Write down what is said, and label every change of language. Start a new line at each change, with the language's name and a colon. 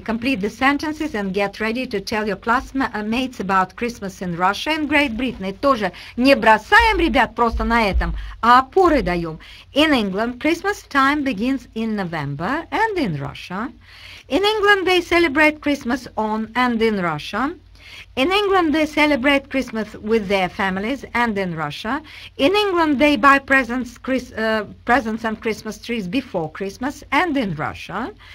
English: Complete the sentences and get ready to tell your classmates about Christmas in Russia and Great Britain.
Russian: И тоже не бросаем ребят просто на этом, а опоры даем.
English: In England, Christmas time begins in November and in Russia. In England, they celebrate Christmas on and in Russia. In England, they celebrate Christmas with their families and in Russia. In England, they buy presents and Christmas trees before Christmas and in Russia.